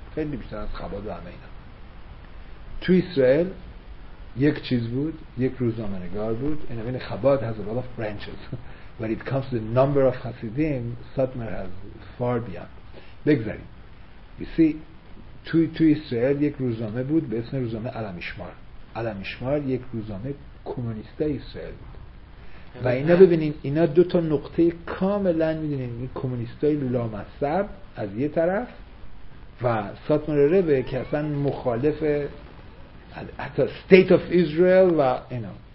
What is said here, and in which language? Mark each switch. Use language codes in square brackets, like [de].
[fa] خیلی بیشتر از خباد و همه اینا. تو اسرائیل یک چیز بود، یک روزنامه‌نگار بود. [en] And I mean, Chabad has a lot of branches. When it comes to the number of Hasidim, Satmar has far beyond. [fa] بگذاریم. [en] You see, [fa] تو اسرائیل یک روزنامه بود به اسم روزنامه علمیشمار. علمیشمار یک روزنامه کمونیست اسرائیل بود. و اینا ببینین، اینا دو تا نقطه کاملا میدونین، این کمونیست های لامصب از یه طرف و ساتمر ربه که اصلا مخالف حتی State of Israel و اینا.